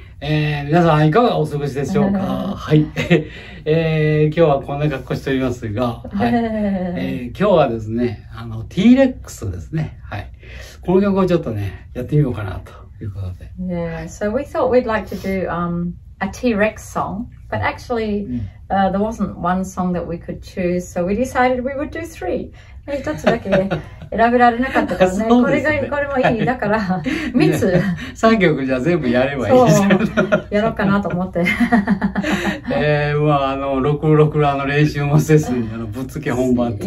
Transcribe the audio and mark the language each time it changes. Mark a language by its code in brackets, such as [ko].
[ja] 皆さんいかがお過ごしでしょうか。はい、今日はこんな格好しておりますが、はい、今日はですね、T.Rex ですね。はい、この曲をちょっとね、やってみようかなということで。 [en] Yeah, so we thought we'd like to do a T.Rex song, but actually, there wasn't one song that we could choose, so we decided we would do three. [ja] 一つだけ選べられなかったからね。ね、これがこれもいい、はい、だから三つ。三曲じゃ全部やればいいじゃん。やろうかなと思って。 666の練習もせずにぶっつけ本番って。